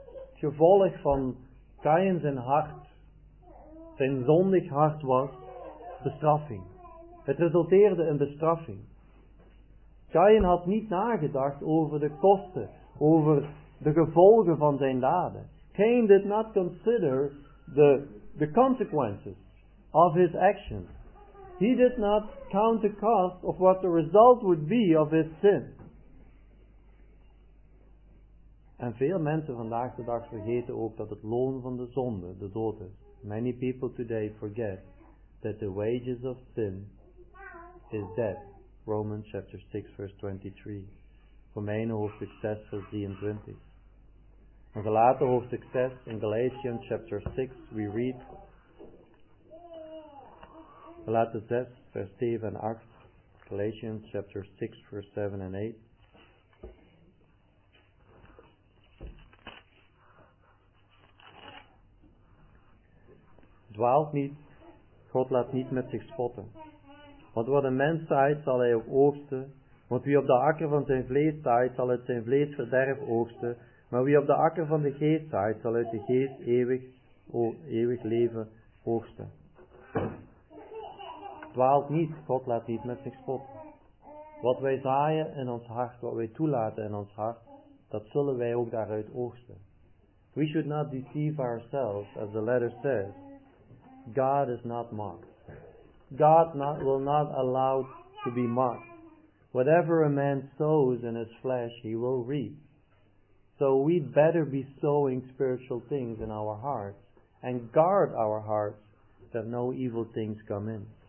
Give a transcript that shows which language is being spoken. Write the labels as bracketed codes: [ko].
[nl] Het gevolg van Kain zijn hart, zijn zondig hart, was bestraffing. Het resulteerde in bestraffing. Kain had niet nagedacht over de kosten, over de gevolgen van zijn daden. [en] Kain did not consider the consequences of his actions. He did not count the cost of what the result would be of his sin. [nl] En veel mensen vandaag de dag vergeten ook dat het loon van de zonde de dood is. [en] Many people today forget that the wages of sin is death. Romans chapter 6 verse 23. [nl] Romeinen hoofdstuk 6 vers 23. In Galaten hoofdstuk 6 [en] in Galatians chapter 6 we read [nl] Galaten 6 vers 7 en 8. [en] Galatians chapter 6 verse 7 and 8. [nl] Dwaalt niet, God laat niet met zich spotten. Want wat een mens zaait, zal hij ook oogsten. Want wie op de akker van zijn vlees zaait, zal uit zijn vlees verderf oogsten. Maar wie op de akker van de geest zaait, zal uit de geest eeuwig leven oogsten. Dwaalt niet, God laat niet met zich spotten. Wat wij zaaien in ons hart, wat wij toelaten in ons hart, dat zullen wij ook daaruit oogsten. [en] We should not deceive ourselves, as the letter says. God is not mocked. God will not allow to be mocked. Whatever a man sows in his flesh, he will reap. So we better be sowing spiritual things in our hearts and guard our hearts that no evil things come in.